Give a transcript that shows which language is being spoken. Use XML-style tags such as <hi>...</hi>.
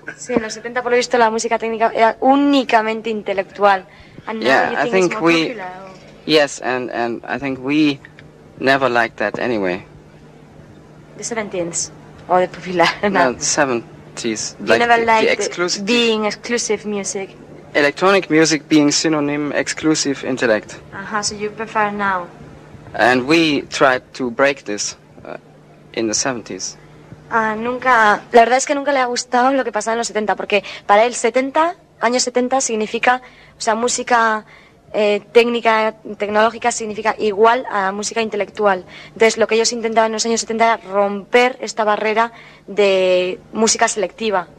<es>Sí, en los 70 por lo visto la música técnica era únicamente intelectual.</es> <en>And yeah, now you think it's more popular. Yes, and I think we never liked that anyway. The 70s, or the popular. No, the 70s. You never liked being exclusive music. Electronic music being synonym exclusive intellect. Uh-huh, so you prefer now. And we tried to break this in the 70s.</en> <es>Nunca, la verdad es que nunca le ha gustado lo que pasaba en los 70, porque para él 70, años 70 significa, o sea, música técnica, tecnológica significa igual a música intelectual. Entonces lo que ellos intentaban en los años 70 era romper esta barrera de música selectiva.</es>